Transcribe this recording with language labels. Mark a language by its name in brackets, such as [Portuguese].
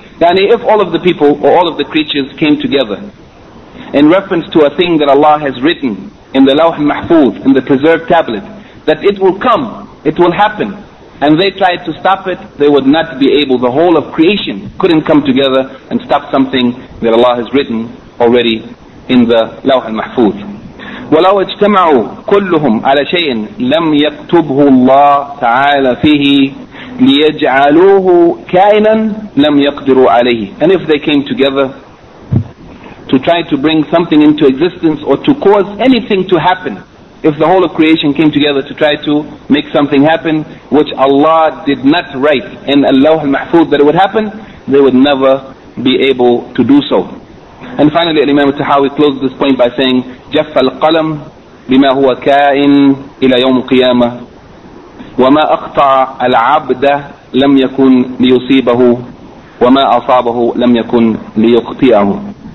[English] Yani if all of the people or all of the creatures came together in reference to a thing that Allah has written in the Lawh al-Mahfuz, in the preserved tablet, that it will come, it will happen, and they tried to stop it, they would not be able, the whole of creation couldn't come together and stop something that Allah has written already in the Lawh al-Mahfuz. [Arabic] ولو اجتمعوا كلهم على شيء لم يكتبه الله تعالى فيه ليجعلوه كائنا لم يقدروا عليه. [English] And if they came together to try to bring something into existence or to cause anything to happen, if the whole of creation came together to try to make something happen which Allah did not write in Allah al-Mahfuz that it would happen, they would never be able to do so. And finally, Imam al-Tahawi closed this point by saying, [Arabic] جَفَّ الْقَلَمْ بِمَا هُوَ كَائِنْ إِلَى يَوْمُ الْقِيَامَةِ وَمَا أَقْطَعَ الْعَبْدَ لَمْ يَكُنْ لِيُصِيبَهُ وَمَا أَصَابَهُ لَمْ يَكُنْ لِيُخْطِئَهُ.